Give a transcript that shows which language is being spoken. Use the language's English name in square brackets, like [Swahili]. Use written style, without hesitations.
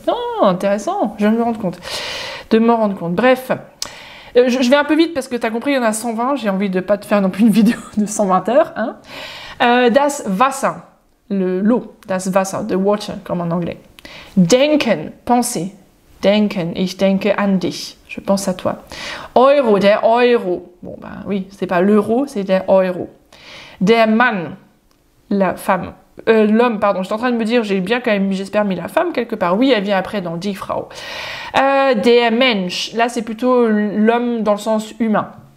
[French] Non, oh, intéressant, je viens de me rendre compte. De m'en rendre compte. Bref, je vais un peu vite parce que tu as compris, il y en a 120, j'ai envie de pas te faire non plus une vidéo de 120 heures. Hein. Das Wasser, l'eau. Das Wasser, the water, comme en anglais. Denken, penser. [German] Denken, ich denke an dich. [French] Je pense à toi. Euro, der Euro. Bon, ben oui, c'est pas l'euro, c'est der Euro. Der Mann, la femme. L'homme, pardon, j'étais en train de me dire, j'ai bien quand même, j'espère, mis la femme quelque part. Oui, elle vient après dans Die Frau. Der Mensch, là c'est plutôt l'homme dans le sens humain.